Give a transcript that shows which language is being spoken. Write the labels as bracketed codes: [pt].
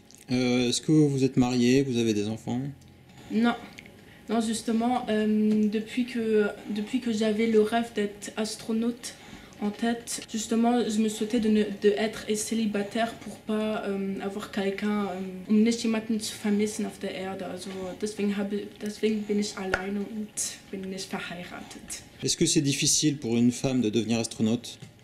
[fr] Est-ce que vous êtes marié? Vous avez des enfants? Non. Non, justement, depuis que j'avais le rêve d'être astronaute en tête, justement, je me souhaitais d'être célibataire pour pas avoir quelqu'un. [de] Nicht jemanden zu vermissen auf der Erde. Also, deswegen bin ich alleine und bin nicht verheiratet. [fr] Est-ce que c'est difficile pour une femme de devenir astronaute?